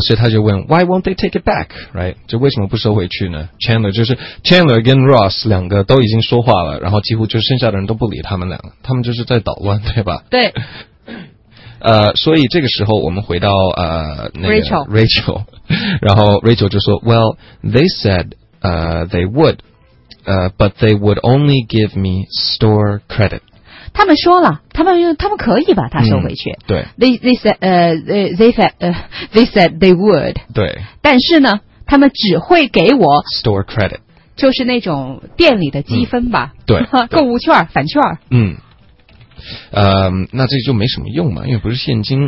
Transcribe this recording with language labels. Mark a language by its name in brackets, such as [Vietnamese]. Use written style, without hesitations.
[Chinese] 所以他就问 [English] Why won't they take it back right [Chinese] 就为什么不收回去呢 Chandler 就是 Chandler 跟 Ross 两个都已经说话了然后几乎就剩下的人都不理他们两个他们就是在捣乱对吧对所以这个时候我们回到那个 Rachel 然后 Rachel 就说 [English] Well, they said they would but they would only give me store credit [Chinese] 他们说了他们可以把它收回去、嗯、对 [English] they said they would [Chinese] 对但是呢他们只会给我 [English] store credit [Chinese] 就是那种店里的积分吧、嗯、对购物券返券嗯那这就没什么用嘛，因为不是现金。